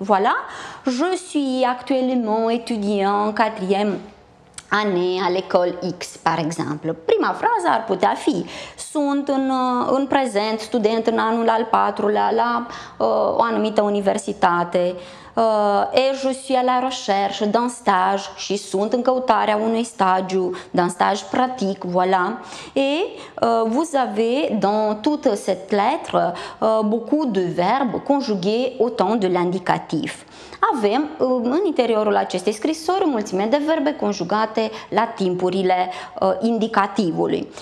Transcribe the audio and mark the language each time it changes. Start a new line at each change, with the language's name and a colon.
French: Voilà, je suis actuellement étudiant quatrième année à l'école X, par exemple.
Romanian: Prima frază ar putea fi: sunt în prezent student în anul al patrulea la o anumită universitate.
French: Et je suis à la recherche d'un stage
Romanian: și sunt în căutarea unui stagiu,
French: d'un stage pratic, voilà. Et vous avez dans toute cette lettre beaucoup de verbes conjugués au temps de l'indicatif.
Romanian: Avem în interiorul acestei scrisori o mulțime de verbe conjugate la timpurile indicativului.